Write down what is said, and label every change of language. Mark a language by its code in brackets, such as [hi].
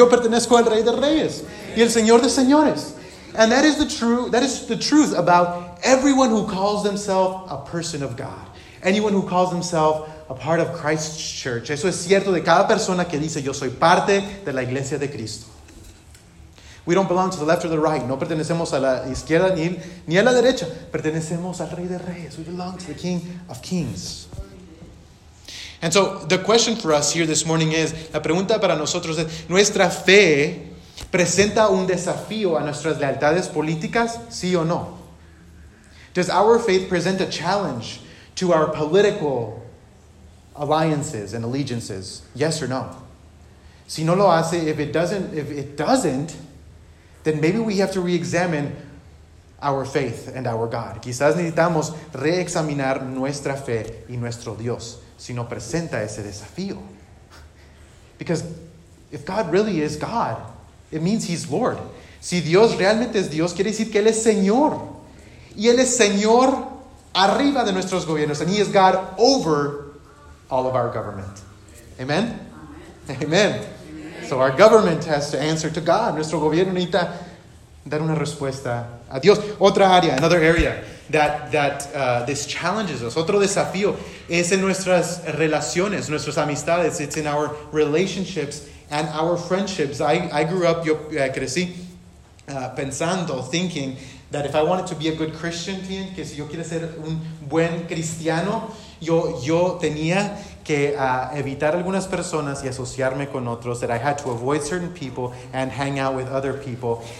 [es] Yo pertenezco al Rey de Reyes y el Señor de Señores. [en] And that is the truth about everyone who calls themselves a person of God. Anyone who calls themselves a part of Christ's church. [es] Eso es cierto de cada persona que dice, yo soy parte de la iglesia de Cristo. [en] We don't belong to the left or the right. [es] No pertenecemos a la izquierda ni a la derecha. Pertenecemos al Rey de Reyes. [en] We belong to the King of Kings. And so, the question for us here this morning is, [es] la pregunta para nosotros es, ¿nuestra fe presenta un desafío a nuestras lealtades políticas? ¿Sí o no? [en] Does our faith present a challenge to our political alliances and allegiances, yes or no? [es] Si no lo hace, [en] if it doesn't, then maybe we have to re-examine our faith and our God. [es] Quizás necesitamos re-examinar nuestra fe y nuestro Dios si no presenta ese desafío. [en] Because if God really is God, it means he's Lord. [es] Si Dios realmente es Dios, quiere decir que él es Señor. Y él es Señor arriba de nuestros gobiernos. [en] And he is God over all of our government. Amen? Amen. Amen. Amen. So our government has to answer to God. [es] Nuestro gobierno necesita dar una respuesta a Dios. Otra área, [en] another area that this challenges us. [es] Otro desafío es en nuestras relaciones, nuestras amistades. [en] It's in our relationships and our friendships. I grew up, [es] yo crecí pensando, thinking that if I wanted to be a good Christian, Tien, que si yo quiero ser un buen cristiano, yo tenía que evitar algunas personas y asociarme con otros, [en] that I had to avoid certain people and hang out with other people.